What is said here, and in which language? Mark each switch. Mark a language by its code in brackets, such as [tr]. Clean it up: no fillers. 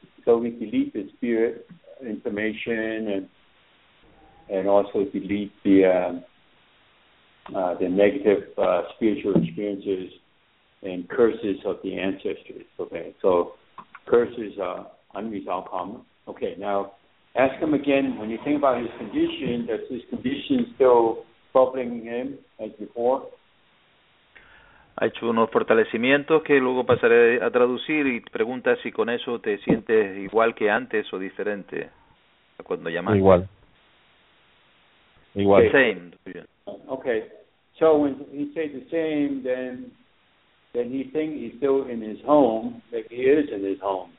[en] So we delete the spirit information and also delete the negative spiritual experiences and curses of the ancestors. Okay, so curses are unresolved karma. Okay, now ask him again, when you think about his condition, does his condition still troubling him as before? [es] Ha hecho unos fortalecimientos que luego pasaré a traducir y pregunta si con eso te sientes igual que antes o diferente a cuando llamaste. Igual. Igual. [en] The same. Okay. So when he says the same, then he thinks he's still in his home, like he is in his home.